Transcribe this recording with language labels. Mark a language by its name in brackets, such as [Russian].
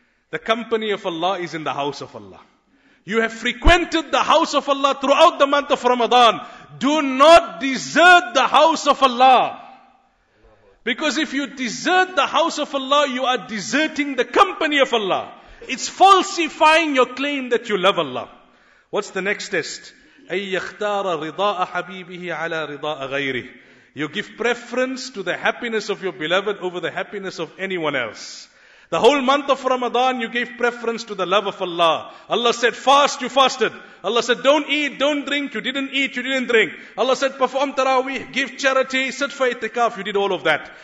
[English] The company of Allah is in the house of Allah. You have frequented the house of Allah throughout the month of Ramadan. Do not desert the house of Allah. Because if you desert the house of Allah, you are deserting the company of Allah. It's falsifying your claim that you love Allah. What's the next test? [Arabic] أَيْ يَخْتَارَ رِضَاءَ حَبِيبِهِ عَلَى رِضَاءَ غَيْرِهِ. [English] You give preference to the happiness of your beloved over the happiness of anyone else. The whole month of Ramadan, you gave preference to the love of Allah. Allah said, fast, you fasted. Allah said, don't eat, don't drink, you didn't eat, you didn't drink. Allah said, perform tarawih, give charity, sit for itikaf, you did all of that.